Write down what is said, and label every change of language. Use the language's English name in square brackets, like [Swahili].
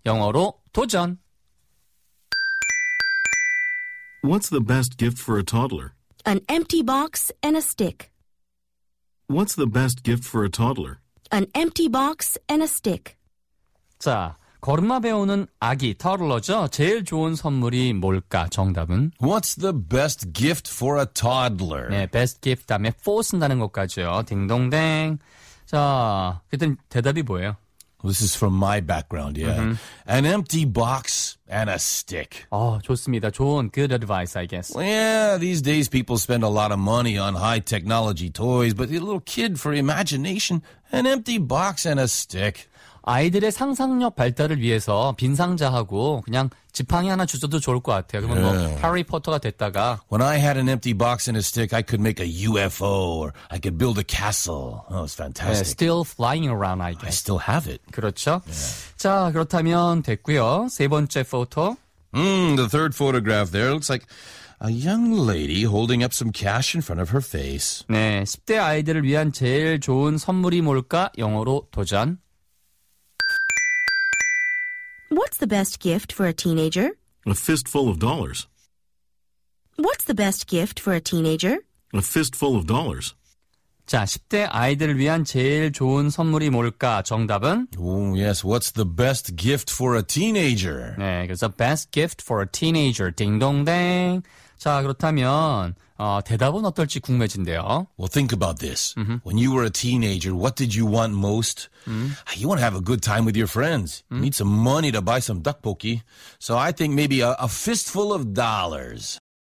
[Korean] 영어로 도전! [English] What's the best gift for a toddler? An empty box and a stick. What's the best gift for a toddler? An empty box and a stick. [Korean] 자, 걸음마 배우는 아기, 터틀러죠? 제일 좋은 선물이 뭘까? 정답은? [English] What's the best gift for a toddler? [Korean] 네, best gift 다음에 for 쓴다는 것까지요. 딩동댕. 자, 그땐 대답이 뭐예요? [English] This is from my background, yeah. Mm-hmm. An empty box and a stick. [Korean] 좋습니다. [English] 좋은, good advice, I guess. Well, yeah, these days people spend a lot of money on high technology toys, but a little kid for imagination, an empty box and a stick. [Korean] 아이들의 상상력 발달을 위해서 빈 상자하고 그냥 지팡이 하나 주셔도 좋을 것 같아요. 그러면 뭐 해리포터가 됐다가 [English] When I had an empty box and a stick, I could make a UFO or I could build a castle. That was fantastic. Yeah, still flying around, I guess. I still have it. [Korean] 그렇죠? [English] Yeah. [Korean] 자, 그렇다면 됐고요. 세 번째 포토. [English] The third photograph there looks like a young lady holding up some cash in front of her face. [Korean] 네, 10대 아이들을 위한 제일 좋은 선물이 뭘까? 영어로 도전. [English] What's the best gift for a teenager? A fistful of dollars. What's the best gift for a teenager? A fistful of dollars. [Korean] 자, 10대 아이들을 위한 제일 좋은 선물이 뭘까? 정답은? [English] Oh, yes. What's the best gift for a teenager? 네, 그래서 best gift for a teenager. [Korean] 딩동댕. 자, 그렇다면 대답은 어떨지 궁금해진대요. [English] Well, think about this. Mm-hmm. When you were a teenager, what did you want most? Mm-hmm. You want to have a good time with your friends. Mm-hmm. You need some money to buy some tteokbokki. So I think maybe a fistful of dollars.